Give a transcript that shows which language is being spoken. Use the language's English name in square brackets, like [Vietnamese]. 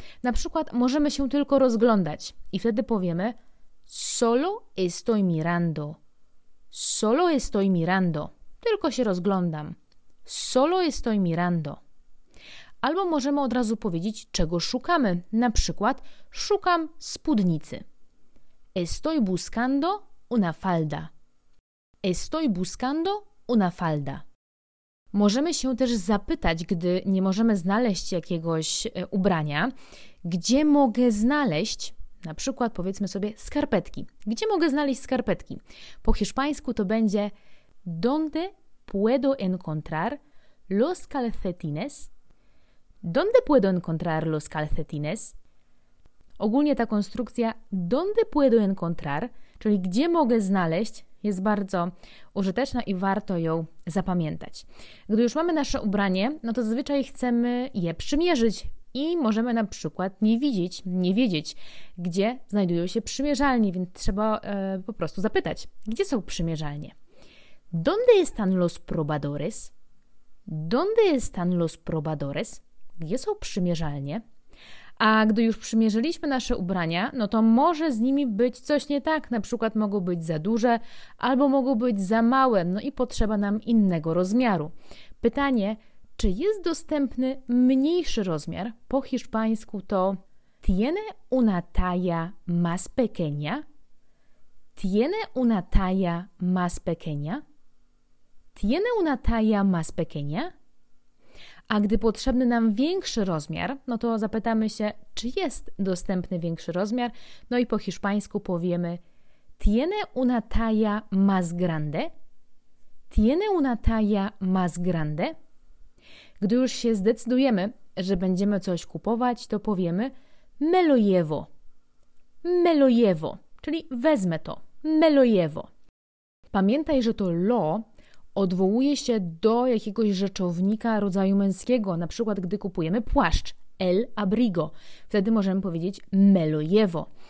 [Polish] Na przykład możemy się tylko rozglądać i wtedy powiemy [Spanish] solo estoy mirando. Solo estoy mirando. [Polish] Tylko się rozglądam. [Spanish] Solo estoy mirando. [Polish] Albo możemy od razu powiedzieć, czego szukamy. Na przykład szukam spódnicy. [Spanish] Estoy buscando una falda. Estoy buscando una falda. [Polish] Możemy się też zapytać, gdy nie możemy znaleźć jakiegoś ubrania, gdzie mogę znaleźć, na przykład powiedzmy sobie, skarpetki. Gdzie mogę znaleźć skarpetki? Po hiszpańsku to będzie [Spanish] donde puedo encontrar los calcetines? Donde puedo encontrar los calcetines? [Polish] Ogólnie ta konstrukcja [Spanish] donde puedo encontrar, [Polish] czyli gdzie mogę znaleźć, jest bardzo użyteczna i warto ją zapamiętać. Gdy już mamy nasze ubranie, no to zazwyczaj chcemy je przymierzyć i możemy na przykład nie wiedzieć, gdzie znajdują się przymierzalnie, więc trzeba po prostu zapytać, gdzie są przymierzalnie. [Spanish] Donde están los probadores? Donde están los probadores? [Polish] Gdzie są przymierzalnie? A gdy już przymierzyliśmy nasze ubrania, no to może z nimi być coś nie tak. Na przykład mogą być za duże, albo mogą być za małe, no i potrzeba nam innego rozmiaru. Pytanie, czy jest dostępny mniejszy rozmiar? Po hiszpańsku to [Spanish] ¿Tiene una talla más pequeña? ¿Tiene una talla más pequeña? ¿Tiene una talla más pequeña? [Polish] A gdy potrzebny nam większy rozmiar, no to zapytamy się, czy jest dostępny większy rozmiar, no i po hiszpańsku powiemy [Spanish] ¿Tiene una talla más grande? ¿Tiene una talla más grande? [Polish] Gdy już się zdecydujemy, że będziemy coś kupować, to powiemy [Spanish] me lo llevo. Me lo llevo, [Polish] czyli wezmę to. [Spanish] Me lo llevo. [Polish] Pamiętaj, że to lo odwołuje się do jakiegoś rzeczownika rodzaju męskiego, na przykład gdy kupujemy płaszcz, el abrigo, wtedy możemy powiedzieć [Spanish] me lo llevo.